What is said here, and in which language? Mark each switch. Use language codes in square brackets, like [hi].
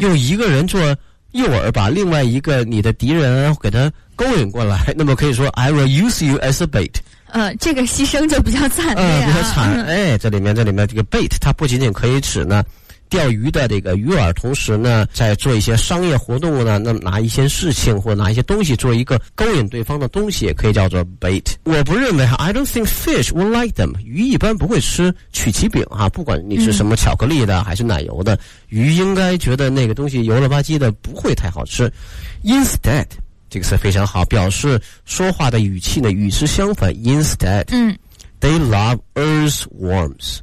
[zh] 用一个人做。诱饵把另外一个你的敌人给他勾引过来，那么可以说 [en] I will use you as a bait。 [zh] 这个牺牲就比较惨了、比较惨。哎，这里面这个 bait 它不仅仅可以指呢钓鱼的这个鱼饵，同时呢在做一些商业活动呢，那么拿一些事情或拿一些东西做一个勾引对方的东西，也可以叫做 bait。我不认为 [en] I don't think fish will like them。 [zh] 鱼一般不会吃曲奇饼啊，不管你是什么巧克力的还是奶油的。嗯，鱼应该觉得那个东西油了吧唧的，不会太好吃。 Instead， 这个词非常好，表示说话的语气呢与之相反。 [en] Instead， they love earthworms。